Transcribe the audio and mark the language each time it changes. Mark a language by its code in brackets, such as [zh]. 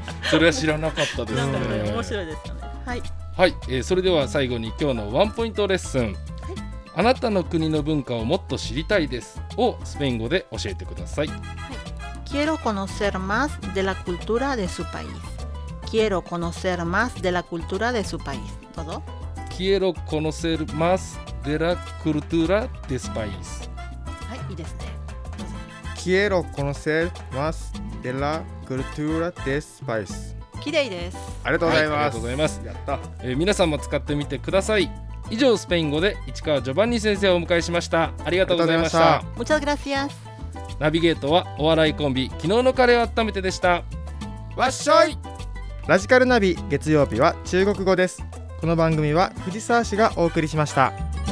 [ja] それは知らなかったですね。面白いですね。はい、はい、それでは最後に今日のワンポイントレッスン、はい、あなたの国の文化をもっと知りたいですをスペイン語で教えてください。 [es] はい、Quiero conocer más de la cultura de su país. Quiero conocer más de la cultura de su país. [ja] どうぞ。 [es] Quiero conocer más de la cultura de su país. [ja] はい、いいですね。 [es] Quiero conocer más de la cultura de su país. [ja] 綺麗です。ありがとうございます。はい、ありがとうございます。やった。皆さんも使ってみてください。以上、スペイン語で市川ジョバンニ先生をお迎えしました。ありがとうございました。 [es] Muchas gracias. [ja] ナビゲートはお笑いコンビ、昨日のカレーを温めてでした。わっしょい。ラジカルナビ、月曜日は中国語です。この番組は藤沢市がお送りしました。